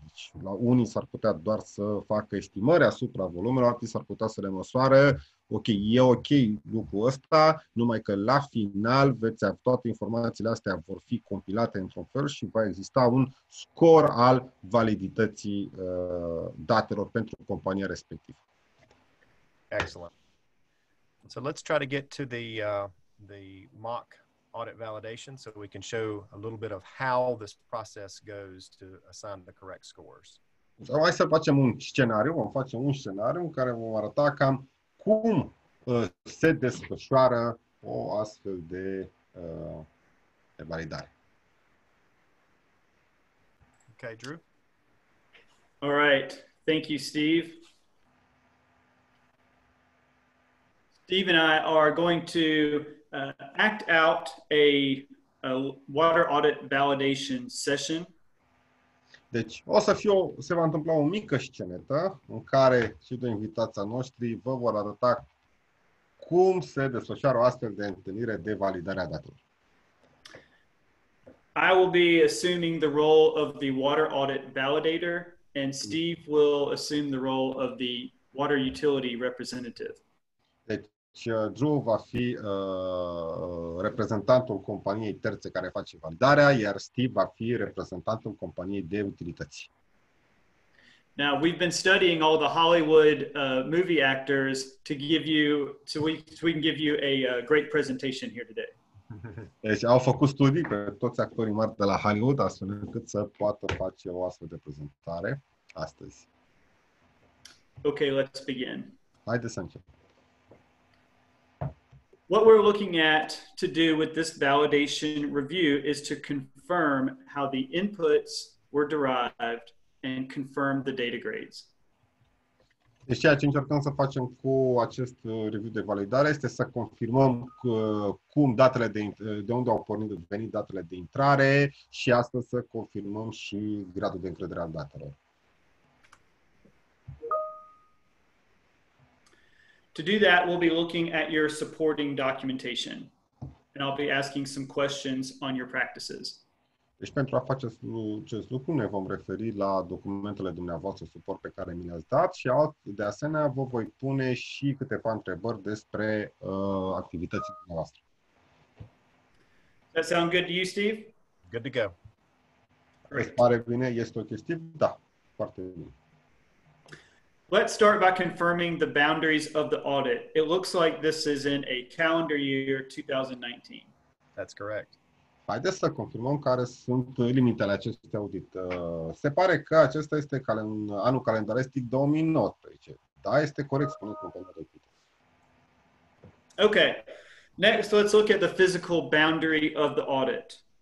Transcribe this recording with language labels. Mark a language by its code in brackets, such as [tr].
[ro] Deci, la unii s-ar putea doar să facă estimări asupra volumelor, alții s-ar putea să le măsoare. Ok, e ok lucrul ăsta, numai că la final veți avea toate informațiile astea vor fi compilate într-un fel și va exista un scor al validității datelor pentru compania respectivă. [en] Excellent. So let's try to get to the mock audit validation so we can show a little bit of how this process goes to assign the correct scores. [ro] Sau hai să facem un scenariu, vom face un scenariu în care vom arăta cam cum se desfășoară o astfel de, de validare. [en] Okay, Drew. All right. Thank you, Steve. Steve and I are going to act out a water audit validation session. [ro] Deci, o să fie se va întâmpla o mică scenetă în care cei doi invitați noștri vă vor arăta cum se desfășoară o astfel de întâlnire de validare a datelor. [en] I will be assuming the role of the water audit validator, and Steve will assume the role of the water utility representative. [ro] Deci, Drew va fi reprezentantul companiei terțe care face validarea, iar Steve va fi reprezentantul companiei de utilități. [en] Now, we've been studying all the Hollywood movie actors to give you, so we can give you a great presentation here today. [ro] Deci au făcut studii pe toți actorii mari de la Hollywood astfel încât să poată face o astfel de prezentare astăzi. [en] Okay, let's begin. [ro] Haideți să începem. [en] What we're looking at to do with this validation review is to confirm how the inputs were derived and confirm the data grades. [ro] Deci ceea ce încercăm să facem cu acest review de validare este să confirmăm cum datele de unde au venit datele de intrare și astfel să confirmăm și gradul de încredere al datelor. [en] To do that, we'll be looking at your supporting documentation and I'll be asking some questions on your practices. [ro] Deci pentru a face acest lucru ne vom referi la documentele dumneavoastră suport pe care mi le-ați dat și de asemenea vă voi pune și câteva întrebări despre activitățile dumneavoastră. [en] That sound good to you, Steve? Good to go. [ro] Îți pare bine? Este ok, Steve? Da, foarte bine. [en] Let's start by confirming the boundaries of the audit. It looks like this is in a calendar year 2019. That's correct. [ro] Haideți să confirmăm care sunt limitele acestui audit. Se pare că acesta este anul calendaristic 2019. Da, este corect spunut cu calendarul audit. [en] Okay. Next, let's look at the physical boundary of the audit.